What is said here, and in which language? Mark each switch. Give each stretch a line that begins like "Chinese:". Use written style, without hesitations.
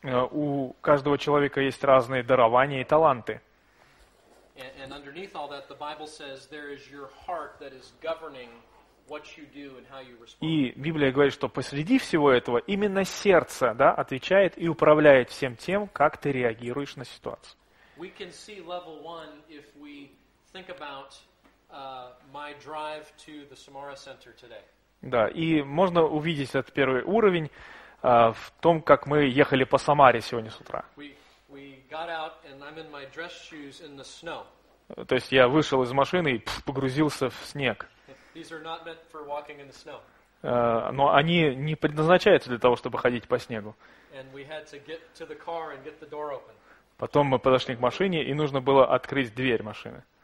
Russian: У каждого человека есть разные дарования и таланты. И Библия говорит, что посреди всего этого именно сердце, да, отвечает и управляет всем тем, как ты реагируешь на ситуацию.
English: We can see level one if we think about my drive to the Samara Center today.
Russian: Да, и можно увидеть этот первый уровень в том, как мы ехали по Самаре сегодня с утра.
English: We got out and I'm in my dress shoes in the snow.
Russian: То есть я вышел из машины и погрузился в снег.
English: These are not meant for walking in the snow.
Russian: Но они не предназначаются для того, чтобы ходить по снегу.
English: And we had to get to the car and get the door open.
Russian: Потом мы подошли к машине, и нужно было открыть дверь машины.